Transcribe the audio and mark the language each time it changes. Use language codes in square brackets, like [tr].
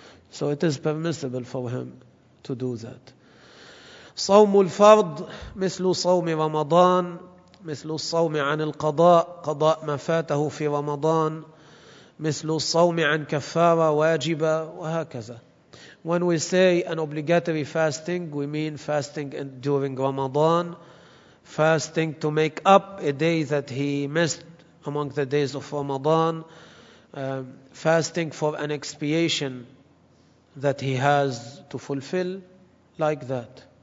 [en] So it is permissible for him to do that. [ar] صوم الفرض مثل صوم رمضان مثل الصوم عن القضاء قضاء ما فاته في رمضان مثل الصوم عن كفارة واجبة وهكذا. [en] When we say an obligatory fasting, we mean fasting during Ramadan, fasting to make up a day that he missed among the days of Ramadan, fasting for an expiation that he has to fulfill, like that.